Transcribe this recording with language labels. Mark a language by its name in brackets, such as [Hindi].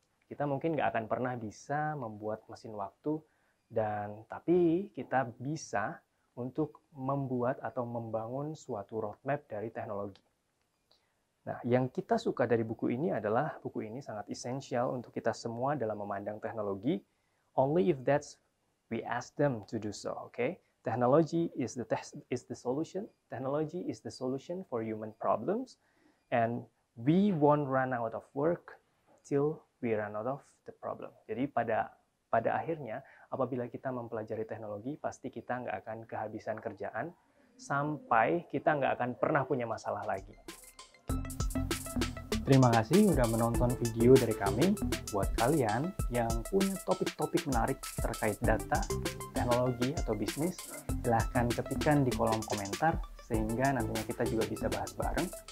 [Indonesian] Kita mungkin nggak akan pernah bisa membuat mesin waktu, dan tapi kita bisa untuk membuat atau membangun suatu roadmap dari teknologi. Nah, yang kita suka dari buku ini adalah buku ini sangat esensial untuk kita semua dalam memandang teknologi. [English] Only if that's we ask them to do so, okay? Technology is the solution. Technology is the solution for human problems, and we won't run out of work till we run out of the problem. [Indonesian] Jadi pada akhirnya, apabila kita mempelajari teknologi, pasti kita nggak akan kehabisan kerjaan sampai kita nggak akan pernah punya masalah lagi. Terima kasih sudah menonton video dari kami. Buat kalian yang punya topik-topik menarik terkait data, teknologi, atau bisnis, silahkan ketikkan di kolom komentar sehingga nantinya kita juga bisa bahas bareng.